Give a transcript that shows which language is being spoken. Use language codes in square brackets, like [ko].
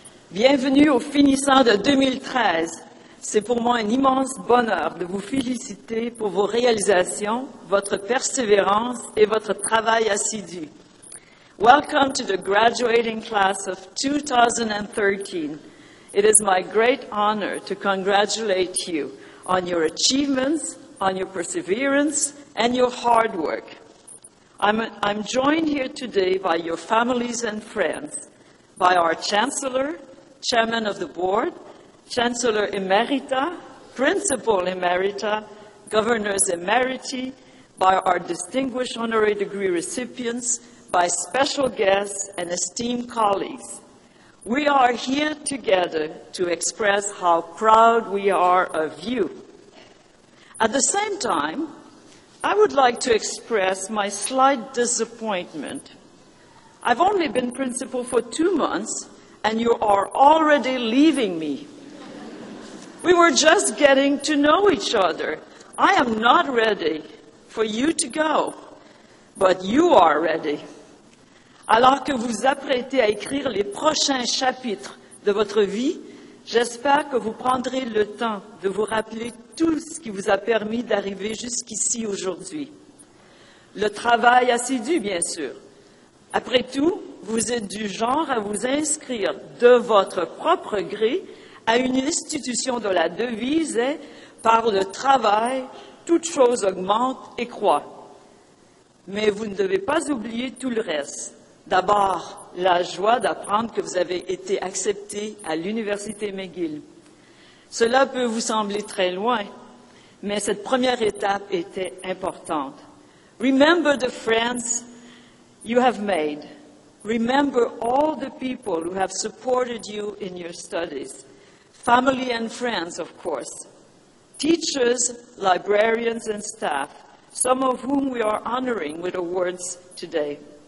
[fr] Bienvenue aux finissants de 2013. C'est pour moi un immense bonheur de vous féliciter pour vos réalisations, votre persévérance et votre travail assidu. [en] Welcome to the graduating class of 2013. It is my great honor to congratulate you on your achievements, on your perseverance, and your hard work. I'm joined here today by your families and friends, by our Chancellor, Chairman of the Board, Chancellor Emerita, Principal Emerita, Governors Emeriti, by our distinguished honorary degree recipients, by special guests and esteemed colleagues. We are here together to express how proud we are of you. At the same time, I would like to express my slight disappointment. I've only been principal for 2 months, and you are already leaving me. We were just getting to know each other. I am not ready for you to go, but you are ready. [fr] Alors que vous apprêtez à écrire les prochains chapitres de votre vie, j'espère que vous prendrez le temps de vous rappeler tout ce qui vous a permis d'arriver jusqu'ici aujourd'hui. Le travail assidu, bien sûr. Après tout, vous êtes du genre à vous inscrire de votre propre gré à une institution dont la devise est « Par le travail, toute chose augmente et croît ». Mais vous ne devez pas oublier tout le reste. D'abord, la joie d'apprendre que vous avez été accepté à l'Université McGill. Cela peut vous sembler très loin, mais cette première étape était importante. [en] Remember the friends you have made. Remember all the people who have supported you in your studies. Family and friends, of course. Teachers, librarians, and staff, some of whom we are honoring with awards today.